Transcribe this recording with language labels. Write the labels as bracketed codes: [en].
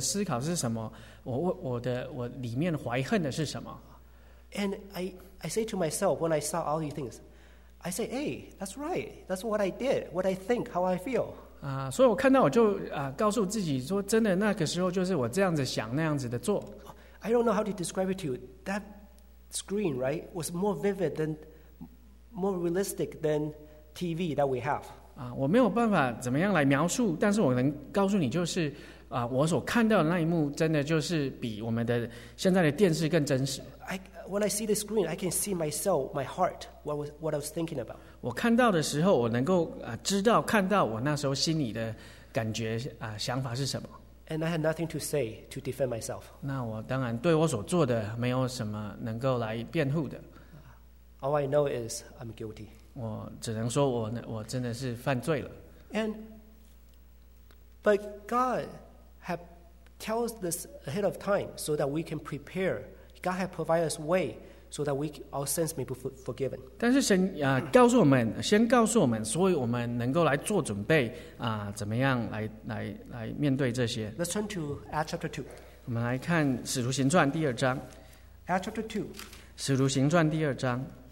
[zh] 那更可怕的是，我看到说，当我做不好事的时候，我的动机是什么？我的思考是什么？我里面怀恨的是什么？ [en] And I say to myself when I saw all these things, I say, hey, that's right. That's what I did, what I think, how I feel. [zh] 所以我看到我就告诉自己说真的那个时候就是我这样子想那样子的做。 [en] I don't know how to describe it to you. That screen, right, was more vivid than, more realistic than TV that we have. [zh] 我没有办法怎么样来描述但是我能告诉你就是我所看到的那一幕真的就是比我们的现在的电视更真实。 [en] When I see the screen, I can see myself, my heart, what I was thinking about. [zh] 我看到的时候，我能够知道看到我那时候心里的感觉想法是什么。 [en] And I had nothing to say to defend myself. [zh] 那我当然对我所做的没有什么能够来辩护的。 [en] All I know is I'm guilty. [zh] 我只能说我真的是犯罪了。 [en] But God had tells this ahead of time so that we can prepare. God has provided us way so that our sins may be forgiven. [zh] 但是神告诉我们，先告诉我们，所以我们能够来做准备怎么样来面对这些。 [en] Let's turn to Acts chapter 2. [zh] 我们来看《使徒行传》第二章。 [en] Acts chapter 2. [zh] 使徒行传第二章。